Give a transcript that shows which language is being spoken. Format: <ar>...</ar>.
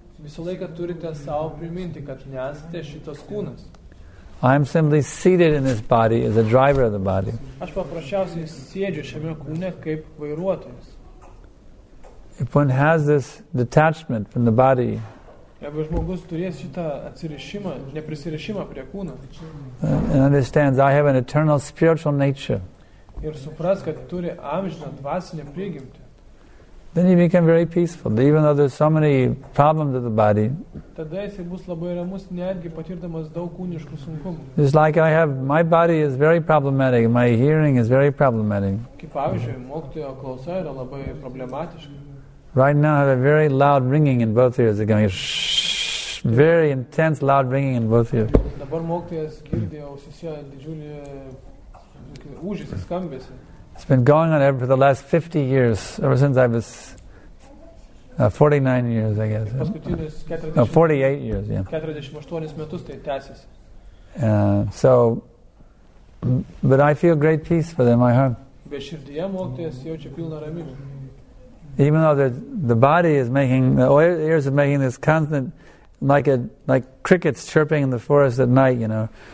<lt>Visą laiką turite savo priminti, kad nesate šitas kūnas.</lt> <en>I am simply seated in this body as a driver of the body.</en> <lt>Aš paprasčiausiai sėdžiu šiame kūne kaip vairuotojas.</lt> <en>If one has this detachment from the body,</en> <lt>jeigu žmogus turės šitą atsirišimą, neprisirišimą prie kūno,</lt> <en>and understands I have an eternal spiritual nature,</en> <lt>ir supras, kad turi amžiną dvasinę prigimtį,</lt> <en>then he became very peaceful, even though there's so many problems with the body.</en> <lt>Tada jisai bus labai ramus, netgi patirdamas daug kūniškų sunkumų.</lt> <en>It's like I have, my body is very problematic, my hearing is very problematic.</en> <lt>Kaip pavyzdžiui, mokytojo klausa yra labai problematiška.</lt> <en>Right now I have a very loud ringing in both ears. It's going very intense loud ringing in both ears.</en> <lt>Dabar mokytojas girdė ausyse didžiulį ūžesį skambesį.</lt> <en>It's been going on ever for the last 50 years, ever since I was 49 years, I guess. No, 48 years, yeah.</en> <lt>48 metus tai tęsiasi.</lt> <en>So, but I feel great peace within my heart.</en> <lt>Be širdyje mokytojas jaučia pilną ramybę.</lt> <en>Even though the body is making, the ears are making this constant, like crickets chirping in the forest at night, you know.</en>